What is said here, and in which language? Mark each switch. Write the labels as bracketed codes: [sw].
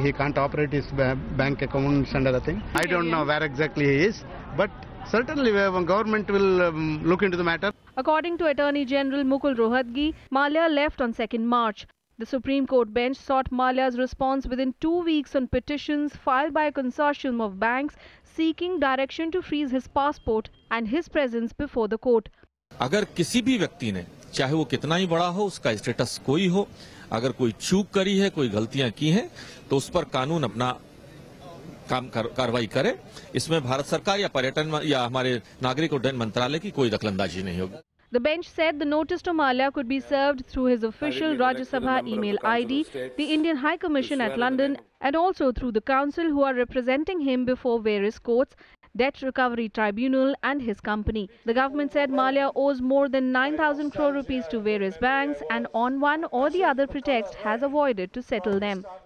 [en] He can't operate his bank accounts and other things. I don't know where exactly he is, but certainly the government will look into the matter. According to Attorney General Mukul Rohatgi, Mallya left on 2nd March. The Supreme Court bench sought Mallya's response within 2 weeks on petitions filed by a consortium of banks seeking direction to freeze his passport and his presence before the court. [hi] अगर किसी भी व्यक्ति ने, चाहे वो कितना ही बड़ा हो, उसका स्टेटस कोई हो, अगर कोई चूक करी है, कोई गलतियां की हैं, तो उस पर कानून अपना काम कार्रवाई करे। इसमें भारत सरकार या पर्यटन या हमारे नागरिक उड्डयन मंत्रालय की कोई दखलंदाजी नहीं होगी। [en] The bench said the notice to Malia could be served through his official Rajya Sabha email ID, the Indian High Commission at London, and also through the counsel who are representing him before various courts, Debt Recovery Tribunal and his company. The government said Malia owes more than 9,000 crore rupees to various banks and on one or the other pretext has avoided to settle them.